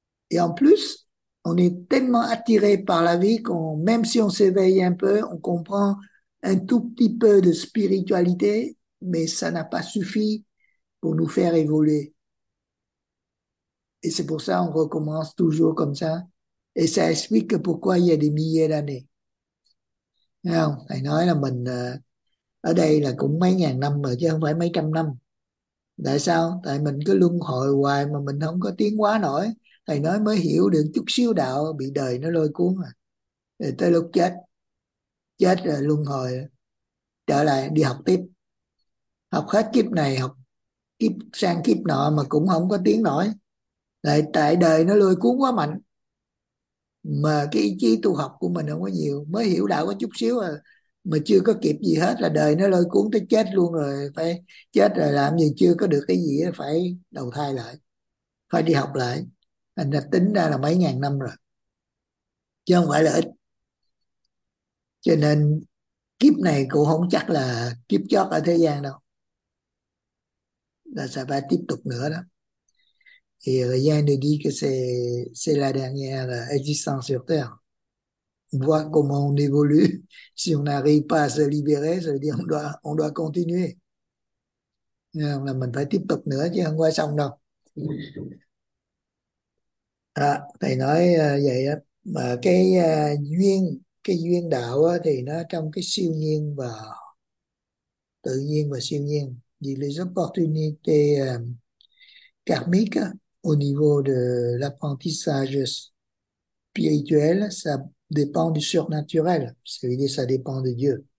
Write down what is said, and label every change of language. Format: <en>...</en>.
<fr>Et en plus, on est tellement attiré par la vie qu'on, même si on s'éveille un peu, on comprend un tout petit peu de spiritualité, mais ça n'a pas suffi pour nous faire évoluer. Et c'est pour ça qu'on recommence toujours comme ça. Et ça explique pourquoi il y a des milliers d'années.</fr> <vi>Thấy không? Thầy nói là mình ở đây là cũng mấy ngàn năm rồi chứ không phải mấy trăm năm. Tại sao? Tại mình cứ luân hồi hoài mà mình không có tiến hóa nổi. Thầy nói mới hiểu được chút xíu đạo bị đời nó lôi cuốn à. Rồi tới lúc chết. Chết rồi luân hồi. Trở lại đi học tiếp. Học hết kiếp này, học kiếp sang kiếp nọ mà cũng không có tiến nổi. Lại tại đời nó lôi cuốn quá mạnh. Mà cái ý chí tu học của mình không có nhiều, mới hiểu đạo có chút xíu à, mà chưa có kịp gì hết là đời nó lôi cuốn tới chết luôn rồi, phải chết rồi làm gì, chưa có được cái gì phải đầu thai lại, phải đi học lại, anh đã tính ra là mấy ngàn năm rồi chứ không phải là ít. Cho nên kiếp này cũng không chắc là kiếp chót ở thế gian đâu, là sẽ phải tiếp tục nữa đó.</vi> <fr>Et rien ne dit que c'est la dernière existence sur Terre. On voit comment on évolue. Si on n'arrive pas à se libérer, ça veut dire on doit continuer.</fr> <vi>Là mình phải tiếp tục nữa chứ không phải xong đâu. À, thầy nói vậy á, mà cái duyên đạo á, thì nó trong cái siêu nhiên và tự nhiên và siêu nhiên,</vi> <fr>the opportunity karmique au niveau de l'apprentissage spirituel, ça dépend du surnaturel, c'est-à-dire ça dépend de Dieu.</fr>